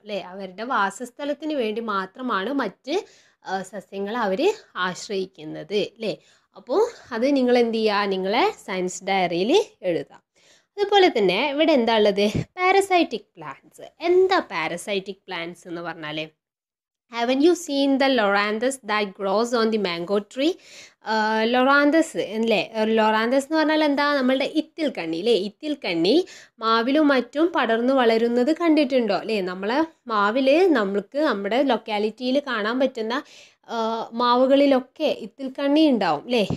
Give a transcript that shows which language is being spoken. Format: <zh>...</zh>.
<ml>അല്ലേ, അവരുടെ വാസസ്ഥലത്തിന് വേണ്ടി മാത്രമാണ് മറ്റ് സസ്യങ്ങൾ അവർ ആശ്രയിക്കുന്നത് അല്ലേ. അപ്പോൾ അത് നിങ്ങൾ എന്ത് ചെയ്യുക, നിങ്ങളെ സയൻസ് ഡയറിയിൽ എഴുതാം. അതുപോലെ തന്നെ ഇവിടെ എന്താ ഉള്ളത്? Parasitic plants. എന്താ പാരസൈറ്റിക് പ്ലാന്റ്സ് എന്ന് പറഞ്ഞാൽ?</ml> <en>Haven't you seen the loranthus that grows on the mango tree?</en> <ml>Loranthus അല്ലേ, ലൊറാന്തസ് എന്ന് പറഞ്ഞാൽ എന്താ, നമ്മളുടെ ഇത്തിൽ കണ്ണി അല്ലേ. ഇത്തിൽ കണ്ണി മാവിലും മറ്റും പടർന്ന് വളരുന്നത് കണ്ടിട്ടുണ്ടോ അല്ലേ. നമ്മളെ മാവിൽ നമ്മൾക്ക് നമ്മുടെ ലൊക്കാലിറ്റിയിൽ കാണാൻ പറ്റുന്ന മാവുകളിലൊക്കെ ഇത്തിൽ കണ്ണി ഉണ്ടാവും അല്ലേ.</ml>